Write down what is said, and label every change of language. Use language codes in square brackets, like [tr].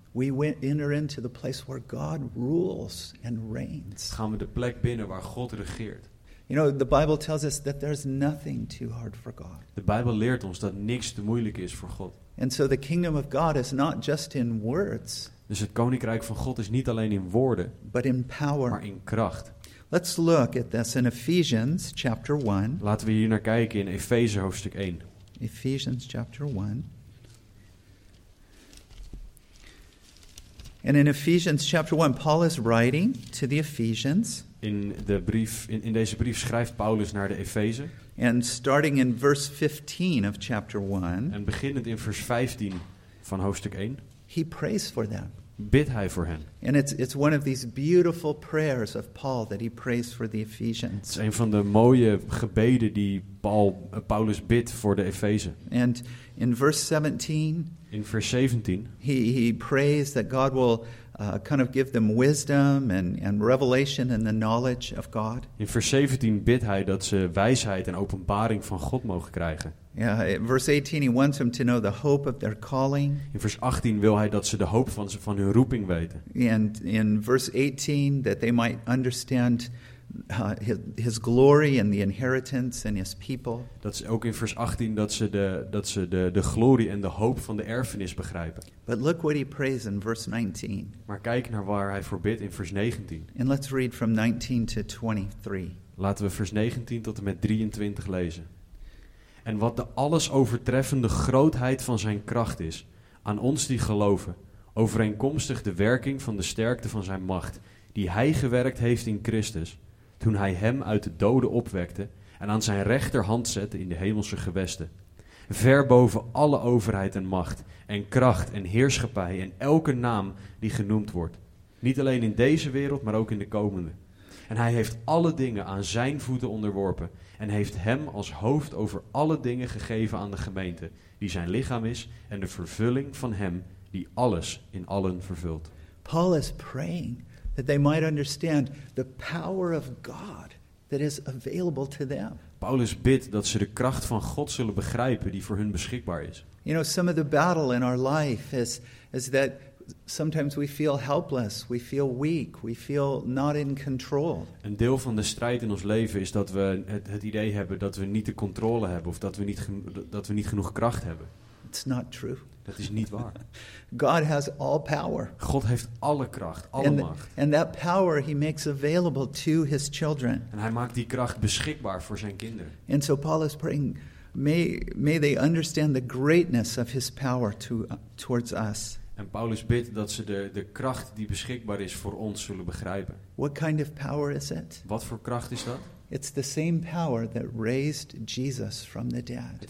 [en] We went enter into the place where God rules and reigns. [nl] Gaan we de plek binnen waar God regeert. [en] You know, the Bible tells us that there's nothing too hard for God. [nl] De Bijbel leert ons dat niks te moeilijk is voor God. [en] And so the kingdom of God is not just in words. [nl] Dus het koninkrijk van God is niet alleen in woorden, [en] but in power. [nl] Maar in kracht. [en] Let's look at this in Ephesians chapter 1. [nl] Laten we hier naar kijken in Efeze hoofdstuk 1. [en] Ephesians chapter 1. And in Ephesians chapter 1, Paul is writing to the Ephesians. [nl] In deze brief schrijft Paulus naar de Efeze. [en] And starting in verse 15 of chapter 1. [nl] En beginnend in vers 15 van hoofdstuk 1. [en] He prays for them. [nl] Bid hij voor hen. [en] And it's one of these beautiful prayers of Paul that he prays for the Ephesians. [nl] Het is een van de mooie gebeden die Paulus bidt voor de Efeze. [en] And in verse 17. [nl] In vers 17. [en] He prays that God will kind of give them wisdom and revelation and the knowledge of God. [nl] In vers 17 bidt hij dat ze wijsheid en openbaring van God mogen krijgen. [en] Yeah, verse 18, he wants them to know the hope of their calling. [nl] In vers 18 wil hij dat ze de hoop van hun roeping weten. [en] And in verse 18, that they might understand his glory and the inheritance and his people. [nl] Dat ze ook in vers 18 dat ze de glorie en de hoop van de erfenis begrijpen. [en] But look what he prays in verse 19. [nl] Maar kijk naar waar hij voor bidt in vers 19. [en] And let's read from 19 to 23. [nl] Laten we vers 19 tot en met 23 lezen. En wat de alles overtreffende grootheid van zijn kracht is, aan ons die geloven, overeenkomstig de werking van de sterkte van zijn macht, die hij gewerkt heeft in Christus, toen hij hem uit de doden opwekte en aan zijn rechterhand zette in de hemelse gewesten. Ver boven alle overheid en macht en kracht en heerschappij en elke naam die genoemd wordt. Niet alleen in deze wereld, maar ook in de komende. En hij heeft alle dingen aan zijn voeten onderworpen en heeft hem als hoofd over alle dingen gegeven aan de gemeente, die zijn lichaam is en de vervulling van hem die alles in allen vervult. [en] Paul is praying that they might understand the power of God that is available to them. [nl] Paulus bidt dat ze de kracht van God zullen begrijpen die voor hun beschikbaar is. [en] You know, some of the battle in our life is that sometimes we feel helpless, we feel weak, we feel not in control. [nl] Een deel van de strijd in ons leven is dat we het idee hebben dat we niet de controle hebben of dat we niet genoeg kracht hebben. [en] It's not true. [nl] Dat is niet waar. [en] God has all power. [nl] God heeft alle kracht, alle macht. [en] And that power he makes available to his children. [nl] En hij maakt die kracht beschikbaar voor zijn kinderen. [en] And so Paul is praying, may they understand the greatness of his power towards us. [nl] En Paulus bidt dat ze de kracht die beschikbaar is voor ons zullen begrijpen. [en] What kind of power is it? [nl] Wat voor kracht is dat? [en] It's the same power that raised Jesus from the dead.